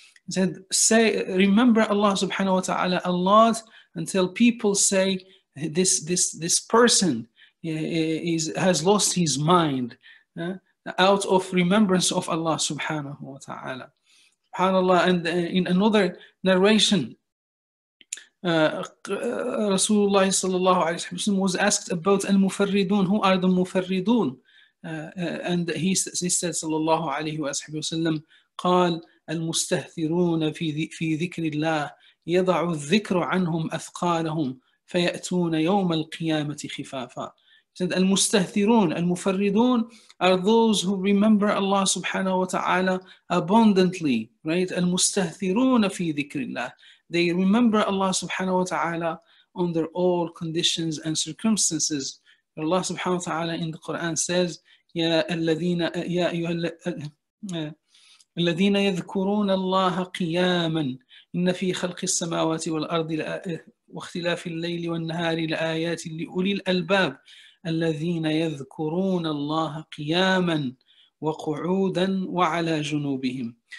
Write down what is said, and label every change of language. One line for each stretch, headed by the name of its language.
English: Said, say, remember Allah subhanahu wa ta'ala a lot until people say this person has lost his mind out of remembrance of Allah subhanahu wa ta'ala. SubhanAllah, and in another narration, Rasulullah sallallahu alayhi wa sallam was asked about al-mufarridun, who are the mufarridun? And he said
Arabic: sallallahu alayhi wa sallam, قال المستهثرون في ذكر الله يضع الذكر عنهم أثقالهم فيأتون يوم القيامة خفافا.
English: said al-mustahthirun, al-mufarridun are those who remember Allah subhanahu wa ta'ala abundantly, right? Al-mustahthiruna fi dhikrillah. They remember Allah subhanahu wa ta'ala under all conditions and circumstances. Allah subhanahu wa ta'ala in the Quran says,
Arabic: Ya alladhina, ya ayyuha الذين يذكرون الله قياما إن في خلق السماوات والأرض واختلاف الليل والنهار لآيات لأولي الألباب الذين يذكرون الله قياما وقعودا وعلى جنوبهم.